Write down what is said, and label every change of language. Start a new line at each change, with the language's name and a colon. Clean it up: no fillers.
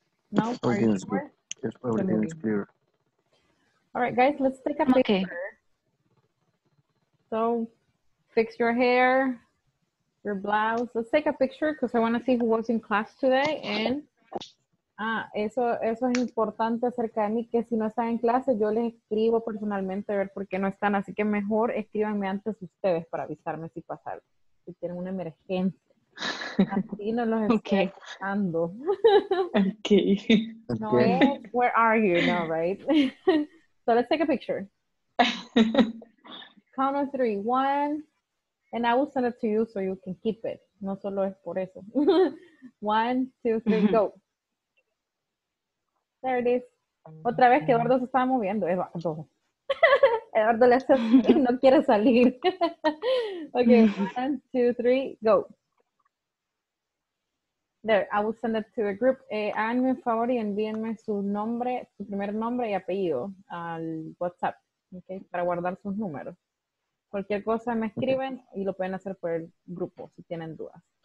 English: No? Everything sure? Is good. Everything is clear. All right, guys. Let's take a picture. Okay. So fix your hair, your blouse. Let's take a picture because I want to see who was in class today. And...
Spanish: Ah, eso es importante acerca de mí, que si no están en clase, yo les escribo personalmente a ver por qué no están. Así que mejor escríbanme antes ustedes para avisarme si pasaron, si tienen una emergencia. Así no los estoy escuchando.
English: Okay.
Spanish: No es,
English: where are you now, right? So let's take a picture. Count on three. One. And I will send it to you so you can keep it.
Spanish: No solo es por eso.
English: One, two, three, go. There it is.
Spanish: Otra vez que Eduardo se estaba moviendo. Eduardo. Eduardo le hace así, no quiere salir. Okay,
English: one, two, three, go. There, I will send it to the group.
Spanish: Háganme un favor y envíenme su nombre, su primer nombre y apellido al WhatsApp, okay, para guardar sus números. Cualquier cosa me escriben y lo pueden hacer por el grupo si tienen dudas.